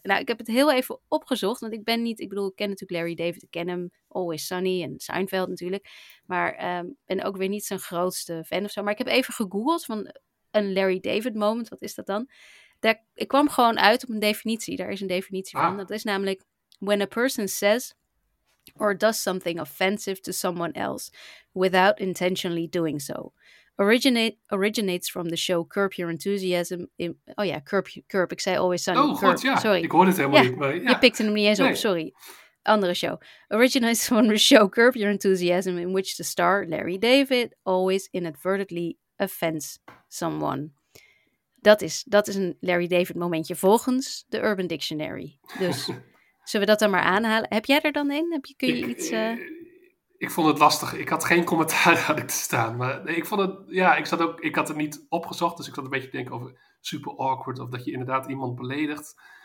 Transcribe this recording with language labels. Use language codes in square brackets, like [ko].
[nl] Nou, ik heb het heel even opgezocht, want ik ken natuurlijk Larry David. Ik ken hem, Always Sunny en Seinfeld natuurlijk. Maar ben ook weer niet zijn grootste fan of zo. Maar ik heb even gegoogeld van een Larry David-moment, wat is dat dan? Ik kwam gewoon uit op een definitie, daar is een definitie van. Dat is namelijk, [en] when a person says... or does something offensive to someone else without intentionally doing so. Originates from the show Curb Your Enthusiasm. Curb. [nl] Ik zei [en] Always Sunny. Oh, Curb. [nl] God, sorry. Ik hoorde het helemaal niet. Maar, Je pikte hem niet eens op, sorry. Andere show. [en] Originates from the show Curb Your Enthusiasm, in which the star Larry David always inadvertently offends someone. [nl] Dat is een Larry David momentje volgens de Urban Dictionary. Dus... Zullen we dat dan maar aanhalen? Heb jij er dan in? Kun je iets... Ik vond het lastig. Ik had geen commentaar aan het staan. Maar nee, ik vond het... Ja, ik had het niet opgezocht. Dus ik zat een beetje te denken over super awkward. Of dat je inderdaad iemand beledigt.